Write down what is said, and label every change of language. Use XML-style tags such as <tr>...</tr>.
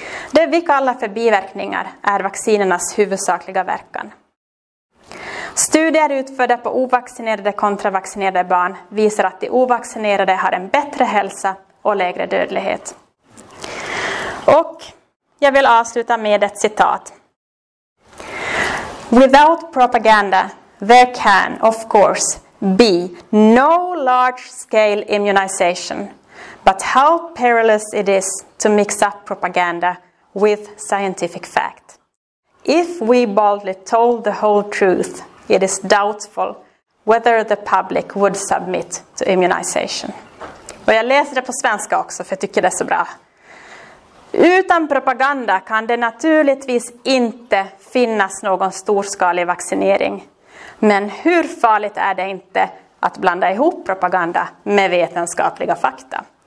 <sv>Det vi kallar för biverkningar är vaccinernas huvudsakliga verkan. Studier utförda på ovaccinerade kontra vaccinerade barn visar att de ovaccinerade har en bättre hälsa och lägre dödlighet. Och jag vill avsluta med ett citat.</sv> <en>Without propaganda, there can, of course, be no large-scale immunization. But how perilous it is to mix up propaganda with scientific fact. If we boldly told the whole truth, it is doubtful whether the public would submit to immunization.</en> <sv>Och jag läser det på svenska också för jag tycker det är så bra. Utan propaganda kan det naturligtvis inte finnas någon storskalig vaccinering. Men hur farligt är det inte att blanda ihop propaganda med vetenskapliga fakta?</sv>